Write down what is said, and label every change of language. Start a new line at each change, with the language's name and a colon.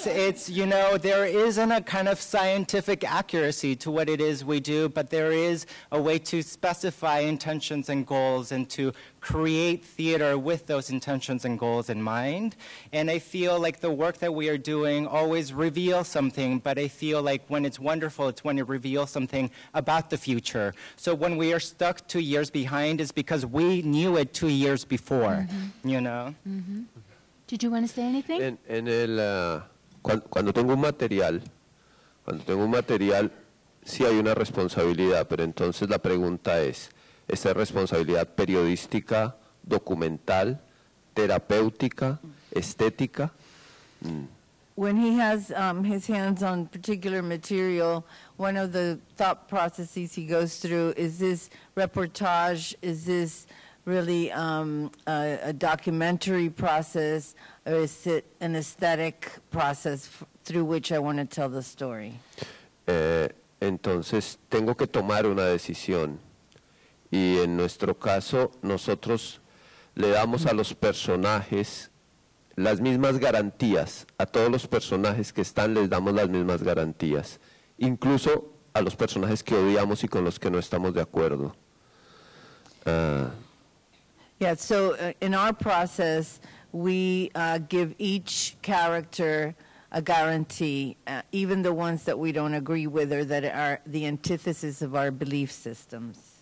English: it's you know, there isn't a kind of scientific accuracy to what it is we do, but there is a way to specify intentions and goals and to create theater with those intentions and goals in mind. And I feel like the work that we are doing always reveals something, but I feel like when it's wonderful, it's when it reveals something about the future. So when we are stuck 2 years behind, it's because we knew it 2 years before, mm-hmm. you know? Mm-hmm. Did you want to say anything?
Spanish: En el, cuando tengo un material, sí hay una responsabilidad, pero entonces la pregunta es, esta es responsabilidad periodística, documental, terapéutica, estética. Mm.
English: When he has his hands on particular material, one of the thought processes he goes through is this reportage, is this really a documentary process, or is it an aesthetic process through which I want to tell the story?
Spanish: Entonces, tengo que tomar una decisión. Y en nuestro caso, nosotros le damos a los personajes las mismas garantías. A todos los personajes que están, les damos las mismas garantías. Incluso a los personajes que odiamos y con los que no estamos de acuerdo.
English: Yeah, so in our process, we give each character a guarantee, even the ones that we don't agree with or that are the antithesis of our belief systems.